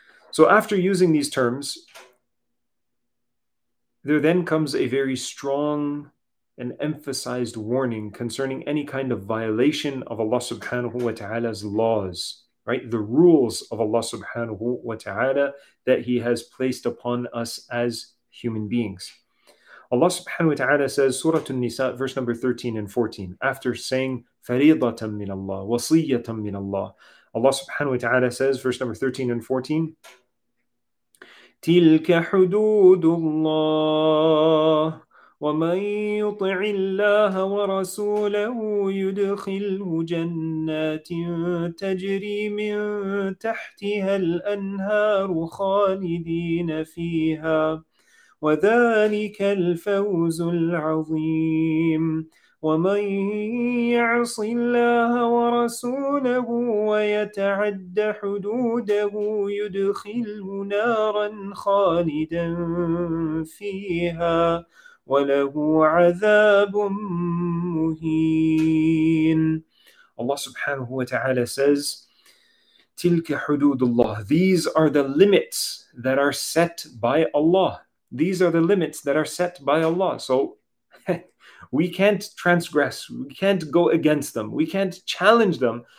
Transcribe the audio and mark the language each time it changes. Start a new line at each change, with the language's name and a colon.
English: So after using these terms, there then comes a very strong and emphasized warning concerning any kind of violation of Allah subhanahu wa ta'ala's laws, right? The rules of Allah subhanahu wa ta'ala that He has placed upon us as human beings. Allah subhanahu wa ta'ala says, Surah An-Nisa, verse number 13 and 14, after saying,
Arabic: فَرِيضَةً مِّنَ اللَّهِ وَصِيَّةً مِّنَ اللَّهِ,
English: Allah subhanahu wa ta'ala says, verse number 13 and 14,
Arabic: تلك حدود الله ومن يطع الله ورسوله يدخله جنات تجري من تحتها الأنهار خالدين فيها وذلك الفوز العظيم ومن يعص الله ورسوله ويتعد حدوده يدخله نارا خالدا فيها وله عذاب مهين.
English: Allah subhanahu wa ta'ala says,
Arabic: تلك حدود الله.
English: These are the limits that are set by Allah. These are the limits that are set by Allah. So we can't transgress, we can't go against them, we can't challenge them.